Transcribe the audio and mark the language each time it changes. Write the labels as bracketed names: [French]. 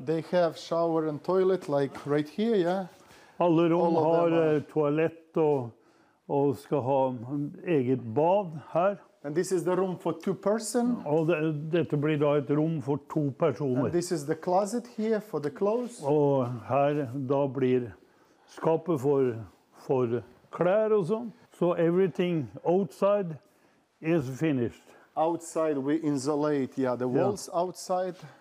[English] they have shower and toilet like right here, yeah. [Norwegian] Alle rom all har toalett og skal ha eget bad her. [English] And this is the room for two person. [Norwegian] Og dette blir da et rom for to personer. [English] And this is the closet here for the clothes. [Norwegian] Og her da blir skapet for klær og sånn. [English] So everything outside is finished. Outside we insulate, yeah, the walls, yeah, outside.